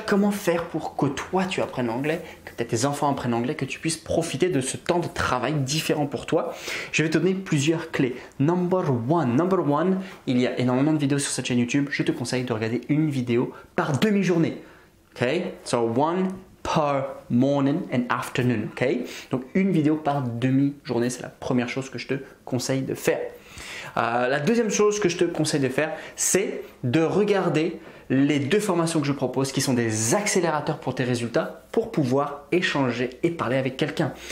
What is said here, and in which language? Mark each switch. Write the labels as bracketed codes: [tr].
[fr] Comment faire pour que toi tu apprennes l'anglais, que peut-être tes enfants apprennent l'anglais, que tu puisses profiter de ce temps de travail différent pour toi? Je vais te donner plusieurs clés. [en] Number one, [fr] il y a énormément de vidéos sur cette chaîne YouTube. Je te conseille de regarder une vidéo par demi-journée. [en] Ok? So one per morning and afternoon. Ok? [fr] Donc une vidéo par demi-journée, c'est la première chose que je te conseille de faire. La deuxième chose que je te conseille de faire, c'est de regarder les 2 formations que je propose qui sont des accélérateurs pour tes résultats pour pouvoir échanger et parler avec quelqu'un.